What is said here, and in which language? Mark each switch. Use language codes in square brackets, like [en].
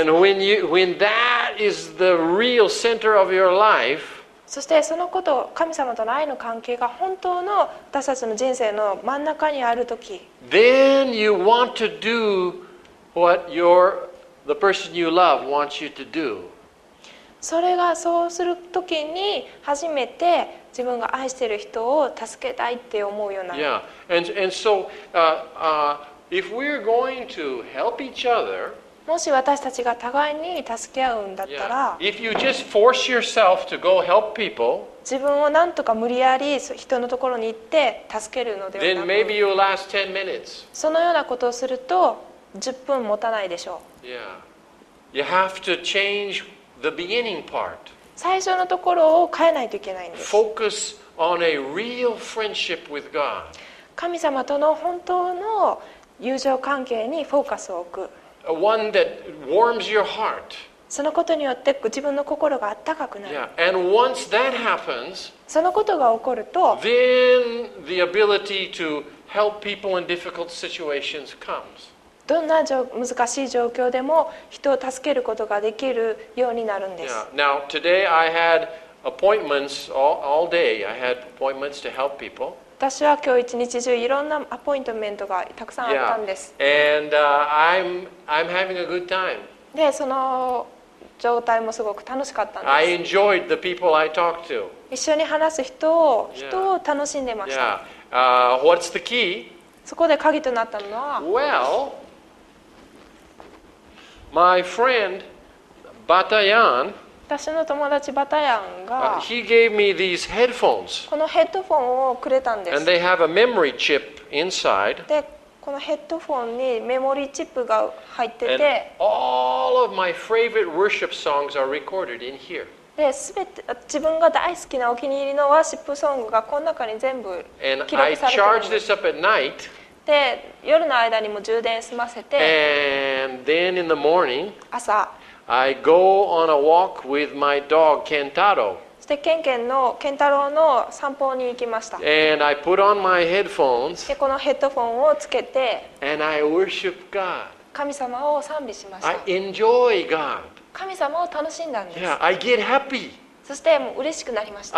[en] And when that is the real center of your life, [ja] そしてそのこと、神様との愛の関係が本当の私たちの人生の真ん中にあるとき、 [en] then you want to do what the person you love wants you to do. [ja] それがそうするときに初めて自分が愛している人を助けたいって思うような。 [en] Yeah, and so, if we're going to help each other, [ja] もし私たちが互いに助け合うんだったら、 [en] yeah, if you just force yourself to go help people, [ja] 自分をなんとか無理やり人のところに行って助けるのではなく、 [en] then maybe you'll last 10 minutes. [ja] そのようなことをすると10分持たないでしょう。 [en] Yeah, you have to change the beginning part. [ja] 最初のところを変えないといけないんです。 [en] Focus on a real friendship with God. [ja] 神様との本当の友情関係にフォーカスを置く。 [en] One that warms your heart. [ja] そのことによって自分の心が温かくなる。 [en] Yeah. And once that happens, [ja] そのことが起こると、 [en] then the ability to help people in difficult situations comes. [ja] どんな難しい状況でも人を助けることができるようになるんです。 [en] Yeah. Now, today I had appointments all day. I had appointments to help people. [ja] 私は今日一日中いろんなアポイントメントがたくさんあったんです。 [en] Yeah. And, I'm having a good time. [ja] で、その状態もすごく楽しかったんです。 [en] I enjoyed the people I talked to. [ja] 一緒に話す人を楽しんでました。 [en] Yeah. What's the key? [ja] そこで鍵となったのは、 [en] Well,My friend Batayan, [ja] 私の友達バタヤンが、 [en] he gave me these headphones. [ja] このヘッドフォンをくれたんです。 [en] And they have a memory chip inside. [ja] で、このヘッドフォンにメモリーチップが入ってて、 [en] And all of my favorite worship songs are recorded in here. [ja] で、すべて自分が大好きなお気に入りのワーシップソングがこの中に全部記録されてるんです。 [en] And I charge this up at night. [ja] で夜の間にも充電済ませて、 [en] And then in the morning, [ja] 朝、 [en] I go on a walk with my dog Kentaro. [ja] そしてケンタロウの散歩に行きました。 [en] And I put on my headphones. [ja] でこのヘッドフォンをつけて、 [en] And I worship God. [ja] 神様を賛美しました。 [en] I enjoy God. [ja] 神様を楽しんだんです。 [en] Yeah, I get happy. [ja] そしてもう嬉しくなりました。